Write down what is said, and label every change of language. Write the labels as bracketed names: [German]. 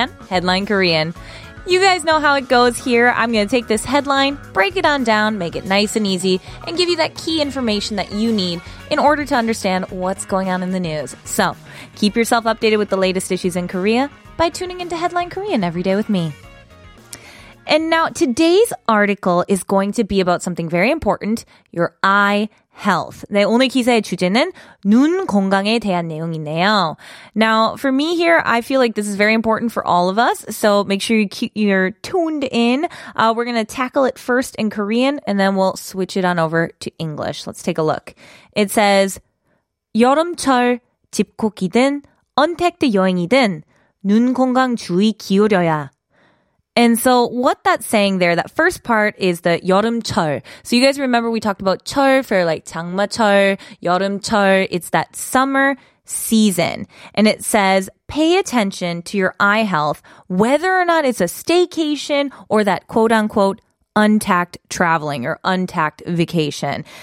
[English] Headline Korean. You guys know how it goes here. I'm going to take this headline, break it on down, make it nice and easy, and give you that key information that you need in order to understand what's going on in the news. So, keep yourself updated with the latest issues in Korea by tuning into Headline Korean every day with me. And now, today's article is going to be about something very important, your eye health. [Korean] 네, 오늘 기사의 주제는 눈 건강에 대한 내용이네요. [English] Now, for me here, I feel like this is very important for all of us. So make sure you're tuned in. We're going to tackle it first in Korean, and then we'll switch it on over to English. Let's take a look. It says, [Korean] 여름철 집콕이든 언택트 여행이든 눈 건강 주의 기울여야. [English] And so what that's saying there, that first part is the 여름철. So you guys remember we talked about 철 for like 장마철, 여름철. It's that summer season. And it says, pay attention to your eye health, whether or not it's a staycation or that quote unquote untacked traveling or untacked vacation.